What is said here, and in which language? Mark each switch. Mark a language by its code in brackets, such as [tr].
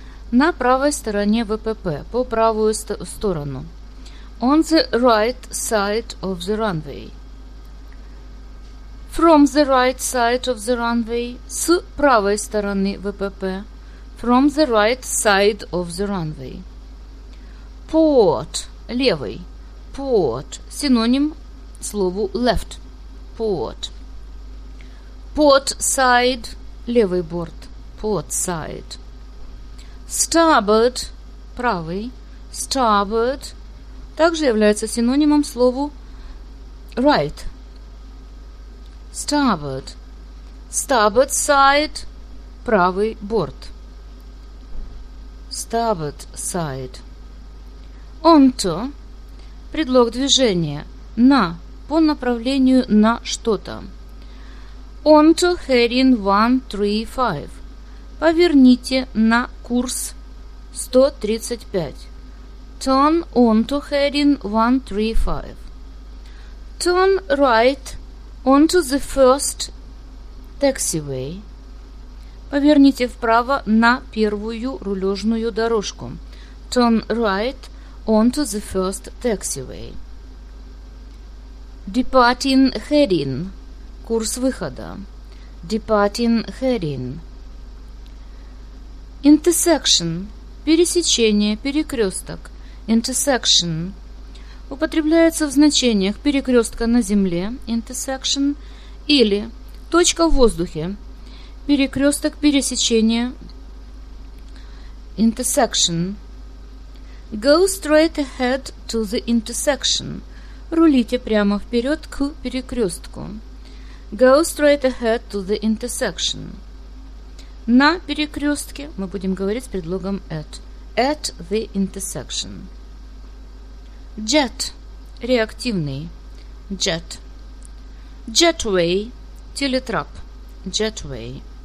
[ru] На правой стороне ВПП. По правую сторону. [en] On the right side of the runway. From the right side of the runway. [ru] С правой стороны ВПП. [en] From the right side of the runway. Port. Левый. Port. [ru] Синоним слову left. [en] Port. Port side. [ru] Левый борт. [en] Port side. Starboard. Правый. Starboard. [ru] Также является синонимом слову right. [en] Starboard. Starboard side. [ru] Правый борт. [en] Starboard side. Onto. [ru] Предлог движения. На. По направлению на что-то. [en] Onto heading 135. [ru] Поверните на курс 135. [en] Turn onto heading 135. Turn right onto the first taxiway. [ru] Поверните вправо на первую рулежную дорожку. [en] Turn right onto the first taxiway. Departing heading. [ru] Курс выхода. [en] Departing heading. Intersection. [ru] Пересечение, перекресток. [en] Intersection. [ru] Употребляется в значениях перекрестка на земле. Intersection. Или точка в воздухе. Перекресток, пересечение. [en] Intersection. Go straight ahead to the intersection. [ru] Рулите прямо вперед к перекрестку. [en] Go straight ahead to the intersection. [ru] На перекрестке мы будем говорить с предлогом at. [en] At the intersection. Jet. Реактивный. Jet. Jetway. Телетрап. Jetway.